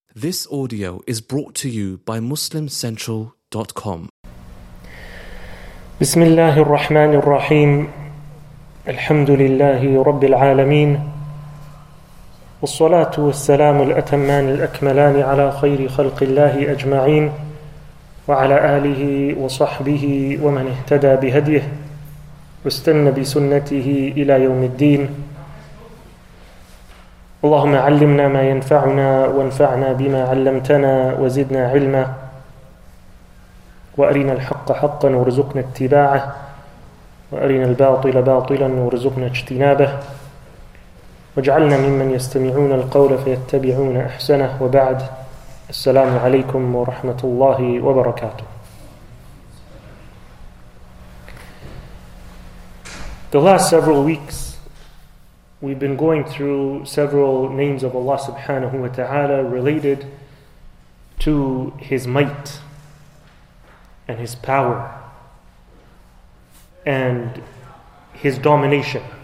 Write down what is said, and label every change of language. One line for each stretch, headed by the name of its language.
English: This audio is brought to you by MuslimCentral.com.
Arabic: بسم الله الرحمن الرحيم الحمد لله رب العالمين والصلاة والسلام الأتمان الأكملان على خير خلق الله أجمعين وعلى آله وصحبه ومن اهتدى بهديه واستنى بسنته إلى يوم الدين. اللهم علمنا ما ينفعنا وانفعنا بما علمتنا وزدنا علما وأرنا الحق حقا وارزقنا اتباعه وأرنا الباطل باطلا وارزقنا اجتنابه واجعلنا ممن يستمعون القول فيتبعون أحسنه وبعد. السلام عليكم ورحمة الله وبركاته.
English: The last several weeks we've been going through several names of Allah subhanahu wa ta'ala related to His might and His power and His domination.